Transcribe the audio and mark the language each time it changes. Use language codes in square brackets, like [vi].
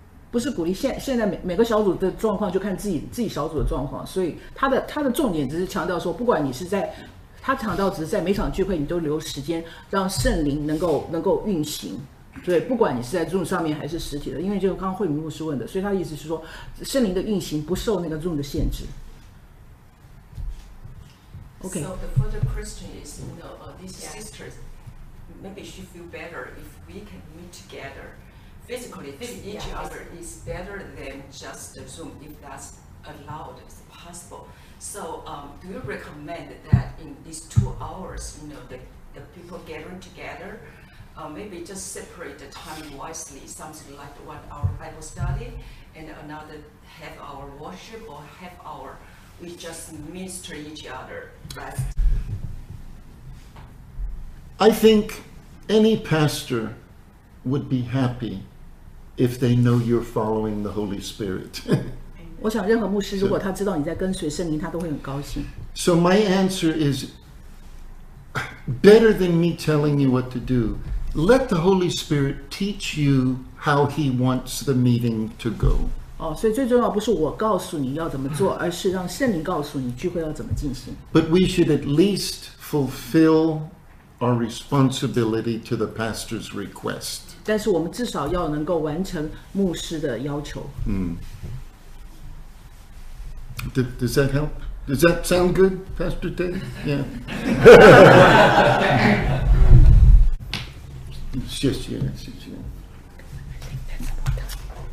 [zh] 不是鼓励，现在 每个小组的状况就看自己小组的状况，所以他的重点只是强调说，不管你是在，他强调只是在每场聚会你都留时间让圣灵能够运行，对，不管你是在 Zoom 上面还是实体的，因为就刚刚慧明牧师问的，所以他的意思是说圣灵的运行不受那个 Zoom 的限制。 [en] OK, so for the Christian is, you know, these sisters, maybe she feel better if we can meet togetherPhysically, each other is better than just Zoom, if that's allowed, if possible. So, do you recommend that in these 2 hours, you know, the people gathering together, maybe just separate the time wisely, something like 1 hour Bible study, and another half hour worship, or half hour, we just minister each other, right? I think any pastor would be happy. If they know you're following the Holy Spirit, [zh] 我想任何牧师如果他知道你在跟随圣灵，他都会很高兴。 [en] So my answer is better than me telling you what to do. Let the Holy Spirit teach you how He wants the meeting to go. [zh] 哦，所以最重要不是我告诉你要怎么做，而是让圣灵告诉你聚会要怎么进行。 [en] But we should at least fulfill our responsibility to the pastor's request. [zh] 但是我们至少要能够完成牧师的要求。 [en] Does that help? Does that sound good, Pastor Ted? Yeah. It's just yes. I think that's about it.